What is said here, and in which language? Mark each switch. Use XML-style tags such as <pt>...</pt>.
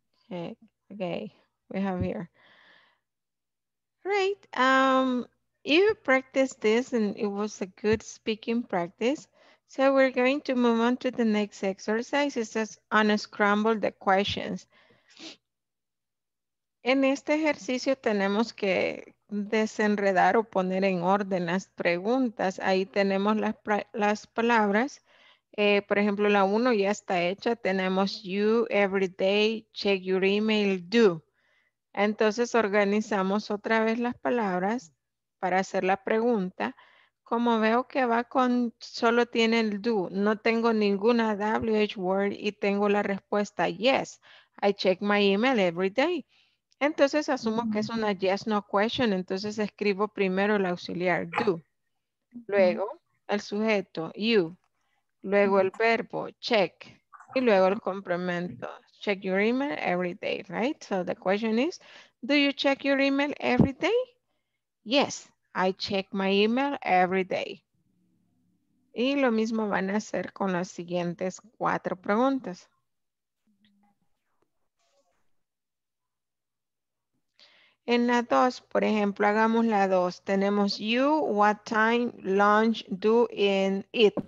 <en>Okay, we have here. Great, you practiced this and it was a good speaking practice. So we're going to move on to the next exercise. It says unscramble the questions.</en> <es>En este ejercicio tenemos que desenredar o poner en orden las preguntas. Ahí tenemos las palabras. Por ejemplo, la uno ya está hecha. Tenemos</es> <en>you every day, check your email, do.</en> <es>Entonces organizamos otra vez las palabras para hacer la pregunta. Como veo que va con, solo tiene el do. No tengo ninguna WH word y tengo la respuesta yes.</es> <en>I check my email every day.</en> <es>Entonces asumo que es una yes no question, entonces escribo primero el auxiliar do, luego el sujeto you, luego el verbo check y luego el complemento check your email every day, right?</es> <en>So the question is, do you check your email every day? Yes, I check my email every day.</en> <es>Y lo mismo van a hacer con las siguientes cuatro preguntas. En la dos, por ejemplo, hagamos la dos. Tenemos</es> <en>you, what time, lunch, do, and eat.</en>